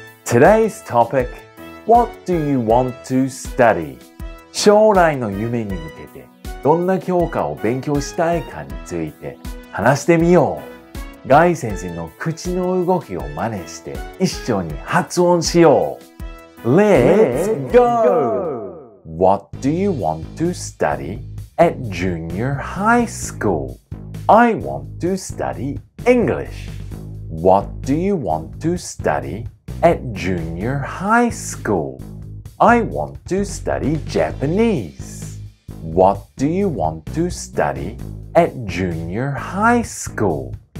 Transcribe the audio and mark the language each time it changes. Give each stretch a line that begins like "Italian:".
English: Today's topic, what do you want to study?
Japanese: 将来の夢に向けてどんな教科を勉強したいかについて話してみよう。ガイ先生の口の動きを真似して一緒に発音しよう。
English: Let's go! What do you want to study at junior high school? I want to study English. What do you want to study at junior high school? I want to study Japanese. What do you want to study at junior high school?